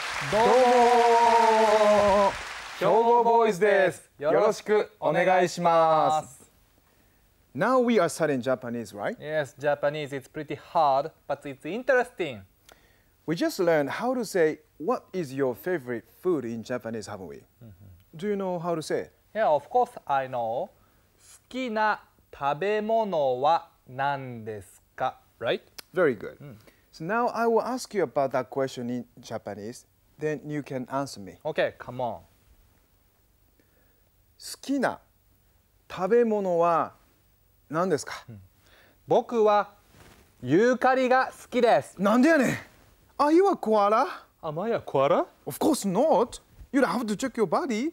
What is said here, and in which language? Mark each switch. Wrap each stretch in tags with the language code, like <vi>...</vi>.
<ja>どうも兵庫ボーイズです。よろしくお願いします。</ja> <en>Now we are studying Japanese, right? Yes, Japanese is pretty hard, but it's interesting. We just learned how to say, what is your favorite food in Japanese, haven't we? Mm-hmm. Do you know how to say it? Yeah, of course I know.</en> <ja>好きな食べ物は何ですか?</ja> <en>Right? Very good. Mm. So now I will ask you about that question in Japanese, then you can answer me. Okay, come on.</en> <ja>好きな食べ物は何ですか? 僕はユーカリが好きです。なんでやねん?</ja> <en>Are you a koala? Am I a koala? Of course not. You'd have to check your body.</en>